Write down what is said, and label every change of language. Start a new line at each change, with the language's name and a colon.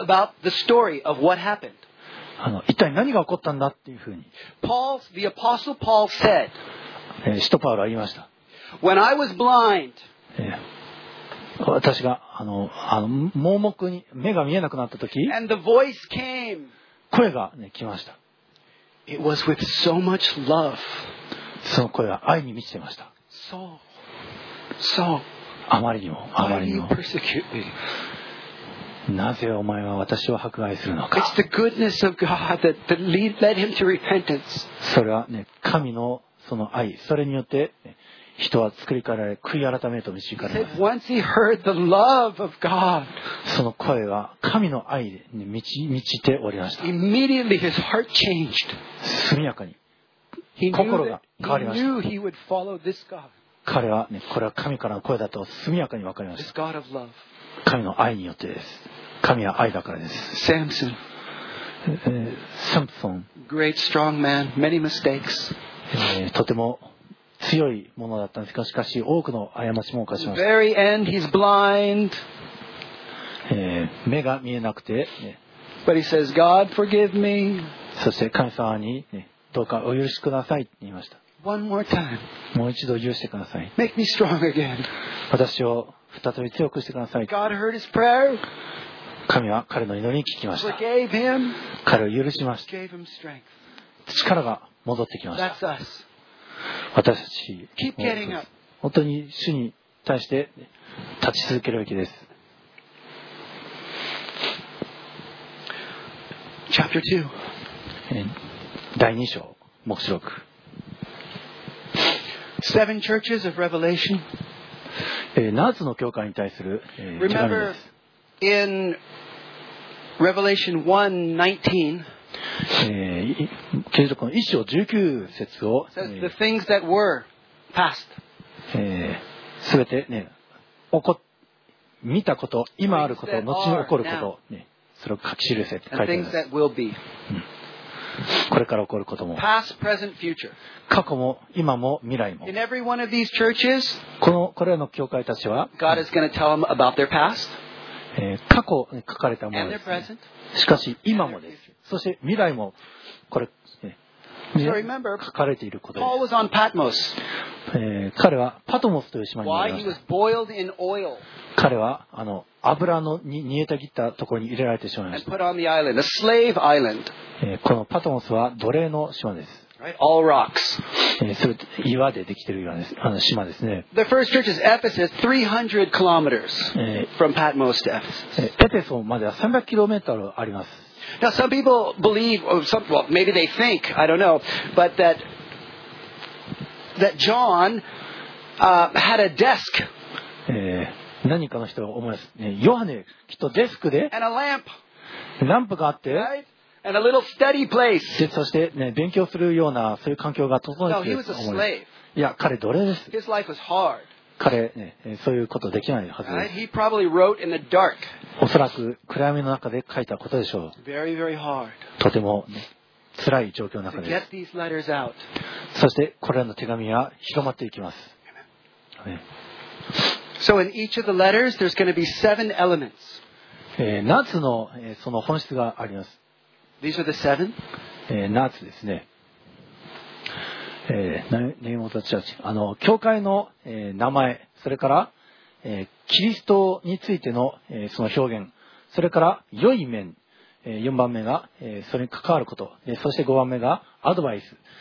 English: About the story of what happened.
Japanese: 一体何が起こったんだっていうふうに。
English: Paul, the apostle Paul said,
Japanese: 使徒パウロは言いました。
English: When I was blind,
Japanese: 私が盲目に目が見えなくなった時、
English: and the voice came,
Japanese: 声が、ね、来ました。
English: It was with so much love.
Japanese: その声は愛に満ちていました。
English: So, so,
Japanese: あまりにも、あまりにも。
English: Why do you persecute me?
Japanese: なぜお前は私を迫害するのか。
English: It's the goodness of God that led him to repentance.
Japanese: それは、ね、神のその愛、それによって、ね、人は作り変えられ、悔い改めと導かれます。
English: Once he heard the love of God,
Japanese: その声は神の愛で、ね、満ちておりました。
English: Immediately his heart changed.
Japanese: 速やかに心が変わりました。
English: He knew he would follow this God.
Japanese: 彼は、ね、これは神からの声だと速やかに分かりました。
English: This God of love.
Japanese: 神の愛によってです。神は愛だからです。
English: Samson. Samson. Great strong man, many mistakes.
Japanese: とても強いものだったんですが、しかし多くの過ちも犯しました。
English: Very end, he's blind.
Japanese: 目が見えなくて、ね。
English: But he says, God forgive me.
Japanese: そして神様に、ね、どうかお許しくださいって言いました。
English: One more time.
Japanese: もう一度許してください。
English: Make me strong again.
Japanese: 私を再び強くしてください。
English: God heard his prayer.
Japanese: 神は彼の祈りに聞きました。
English: Forgave him.
Japanese: 彼を許しました。
English: Gave him strength.
Japanese: 力が戻ってきました。
English: That's us.
Japanese: 私たち
English: Keep getting up.
Japanese: 本当に主に対して立ち続けるべきです。
English: Chapter
Japanese: 2. 第2章黙示録。
English: Seven churches of Revelation.
Japanese: ナーズの教会に対する、手紙です。
English: Remember, in Revelation
Japanese: 1:19, 啓示録の一章十九節を、
English: the things that were past.
Japanese: 全て、ね、見たこと、今あること、後に起こること、ね、それを書き記せって書いてあります。
English: The things that will be.
Japanese: これから起こることも、
English: past, present, future.
Japanese: 過去も今も未来も。
English: In every one of these churches,
Japanese: これらの教会たちは、
English: God is going to tell them about their past,
Japanese: 過去に書かれたものです、ね、
English: and their present,
Japanese: しかし今もです。そして未来もこれ、
English: ね、remember,
Japanese: 書かれていることです。
English: Paul was on Patmos.
Japanese: 彼はパトモスという島にいました。
English: Why he was boiled in oil.
Japanese: 彼は油のに煮えたぎったところに入れられてしまいました。
English: And put on the island, a slave island.
Japanese: このパトモスは奴隷の島です。
English: All rocks.
Japanese: それ岩でできている岩です。島ですね。
English: The first church is Ephesus, 300 kilometers from Patmos to Ephesus.
Japanese: エペソまでは300キロメートルあります。
English: Now some people believe, or some, well, maybe they think, I don't know, but that John had a desk.
Japanese: 何かの人が思います。ヨハネきっとデスクで。
English: And a lamp.
Japanese: ランプがあって。
English: Right? And a little steady place.
Japanese: でそして、ね、勉強するようなそういう環境が整えていると思います。
English: No, he was a slave.
Japanese: いや、彼奴隷です。
English: His life was hard.
Japanese: 彼、ね、そういうことできないはずです。
English: Right? He probably wrote in the dark.
Japanese: おそらく暗闇の中で書いたことでしょう。
English: Very, very hard.
Japanese: とても、ね、辛い状況の中です。
English: To get these letters out.
Japanese: そしてこれらの手紙は広まっていきます。
English: Amen. So in each of the letters, there's going to be seven elements.
Japanese: ナーツの、その本質があります。 These are the seven. ナーツですね。ネイモザチャーチ。教会の、名前、それから、キリストについての、その表現、それから良い面、4番目が、それに関わること、そして5番目がアドバイス、